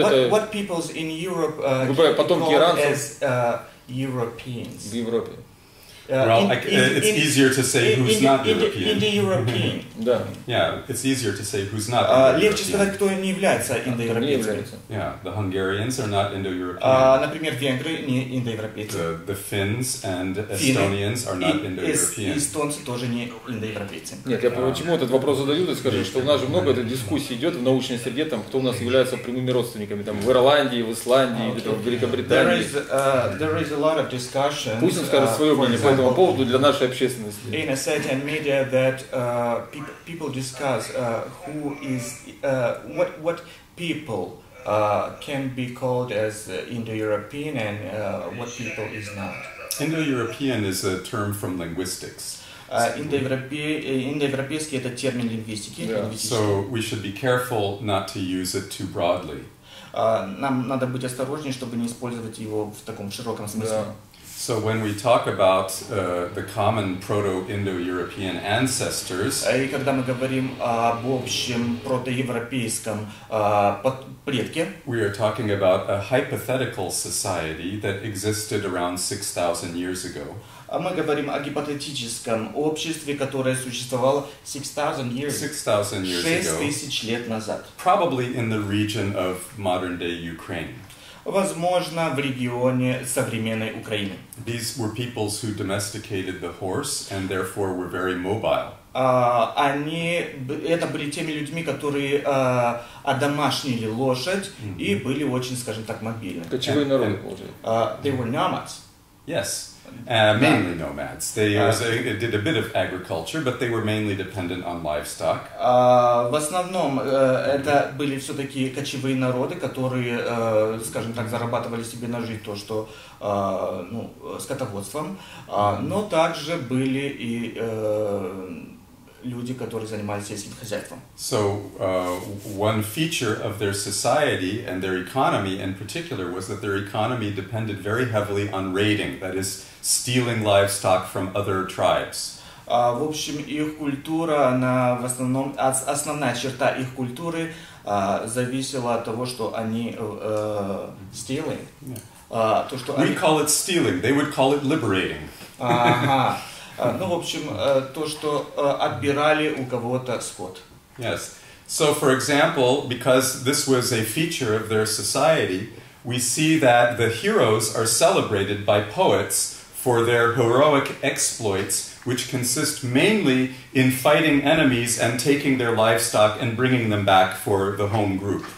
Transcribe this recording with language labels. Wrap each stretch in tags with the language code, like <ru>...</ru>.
<en>what peoples in Europe</en> <ru>потомки иранцев</ru> <en>as Europeans?</en> <ru>В Европе.</ru> <en>It's easier to say who's not Indo-European.</en> <ru>Легче сказать, кто не является индоевропейцем.</ru> <en>Yeah, the Hungarians are not Indo-European.</en> <ru>Например, венгры не индоевропейцы.</ru> <en>The Finns and Estonians are not Indo-European.</en> <ru>Эстонцы тоже не индоевропейцы. Нет, я почему этот вопрос задаю, ты скажи, что у нас же много дискуссий идет в научной среде, там, кто у нас является прямыми родственниками, там, в Ирландии, в Исландии, в Великобритании.</ru> <en>There is a lot of discussion.</en> <ru>Пусть он скажет свое мнение по этому поводу для нашей общественности.</ru> <en>In a certain media that people discuss who is what people can be called as Indo-European and what people is not. Indo-European is a term from linguistics.</en> <ru>Индоевропейский это термин лингвистики.</ru> <en>So we should be careful not to use it too broadly.</en> <ru>Нам надо быть осторожнее, чтобы не использовать его в таком широком смысле.</ru> <en>So when we talk about the common proto-Indo-European ancestors,</en> <ru>и когда мы говорим об общем протоевропейском предке,</ru> <en>we are talking about a hypothetical society that existed around 6,000 years ago.</en> <ru>Мы говорим о гипотетическом обществе, которое существовало</ru> <en>6,000 years ago.</en> <ru>6,000 лет назад.</ru> <en>Probably in the region of modern-day Ukraine.</en> <ru>возможно, в регионе современной Украины.</ru> <en>These were peoples who domesticated the horse and therefore were very mobile.</en> <ru>Это были теми людьми, которые одомашнили лошадь и были очень, скажем так, мобильны. Кочевой народ.</ru> <en>They were nomads. Yes. Mainly nomads. They did a bit of agriculture, but they were mainly dependent on livestock.</en> <ru>В основном это были все-таки кочевые народы, которые, скажем так, зарабатывали себе на жизнь то, что, ну, скотоводством. Но также были и люди, которые занимались сельским хозяйством.</ru> <en>So one feature of their society and their economy in particular was that their economy depended very heavily on raiding, that is, stealing livestock from other tribes.</en> <ru>В общем, их культура, она в основном, основная черта их культуры зависела от того, что они</ru> <en>stealing.</en> <ru>Yeah. То, что We они...</ru> <en>call it stealing, they would call it liberating.</en> <ru>Ну, в общем, то, что отбирали у кого-то скот.</ru> <en>Yes. So, for example, because this was a feature of their society, we see that the heroes are celebrated by poets for their heroic exploits, which consist mainly in fighting enemies and taking their livestock and bringing them back for the home group.</en>